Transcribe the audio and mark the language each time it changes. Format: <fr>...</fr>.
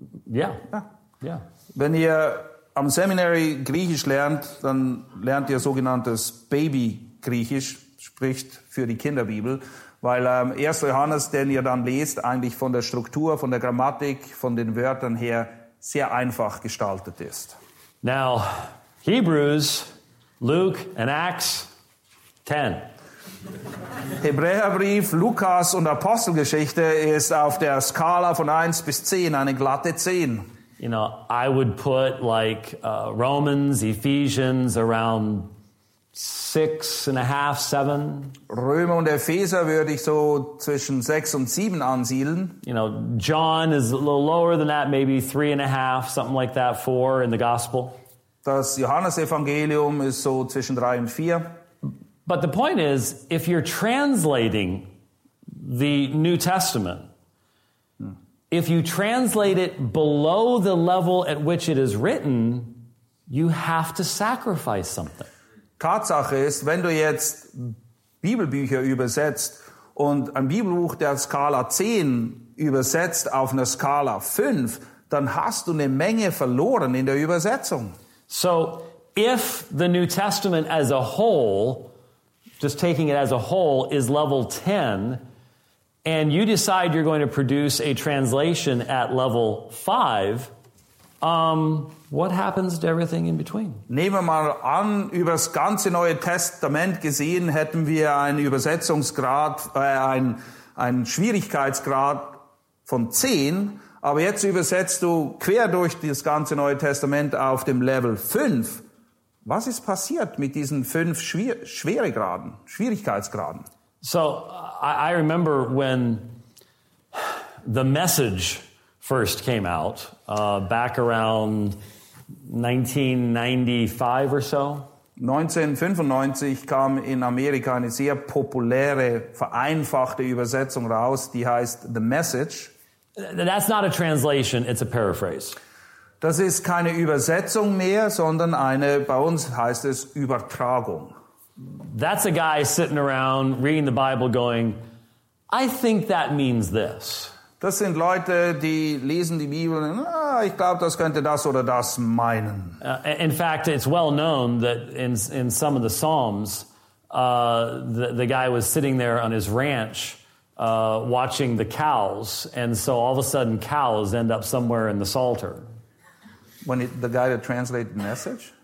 <en>Yeah.</en> <de>Wenn ihr am Seminary Griechisch lernt, dann lernt ihr sogenanntes Baby-Griechisch, spricht für die Kinderbibel, weil 1. Johannes, den ihr dann lest, eigentlich von der Struktur, von der Grammatik, von den Wörtern her sehr einfach gestaltet ist.</de> <en>Now, Hebrews, Luke and Acts 10.</en> <de>Hebräerbrief, Lukas und Apostelgeschichte ist auf der Skala von 1 bis 10 eine glatte 10.</de> <en>You know, I would put like Romans, Ephesians around 6.5, 7.</en> <de>Römer und Epheser würde ich so zwischen 6 und 7 ansiedeln.</de> <en>You know, John is a little lower than that, maybe 3.5, something like that, 4 in the Gospel.</en> <de>Das Johannesevangelium ist so zwischen 3 und 4.</de> <en>But the point is, if you're translating the New Testament, if you translate it below the level at which it is written, you have to sacrifice something.</en> <de>Tatsache ist, wenn du jetzt Bibelbücher übersetzt und ein Bibelbuch der Skala 10 übersetzt auf einer Skala 5, dann hast du eine Menge verloren in der Übersetzung.</de> <en>So, if the New Testament as a whole, just taking it as a whole, is level 10, and you decide you're going to produce a translation at level 5, what happens to everything in between?</en> <de>Nehmen wir mal an, über das ganze Neue Testament gesehen, hätten wir einen Übersetzungsgrad, einen Schwierigkeitsgrad von 10, aber jetzt übersetzt du quer durch das ganze Neue Testament auf dem Level 5. Was ist passiert mit diesen 5 Schweregraden, Schwierigkeitsgraden?</de> <en>So, I remember when The Message first came out, back around 1995 or so.</en> <de>1995 kam in Amerika eine sehr populäre, vereinfachte Übersetzung raus, die heißt The Message.</de> <en>That's not a translation, it's a paraphrase.</en> <de>Das ist keine Übersetzung mehr, sondern eine, bei uns heißt es Übertragung.</de> <en>That's a guy sitting around reading the Bible going, I think that means this.</en> <de>Das sind Leute, die lesen die Bibel und ich glaube, das könnte das oder das meinen.</de> <en>In fact, it's well known that in some of the Psalms, the guy was sitting there on his ranch watching the cows, and so all of a sudden cows end up somewhere in the Psalter. When the guy that translated the message?</en>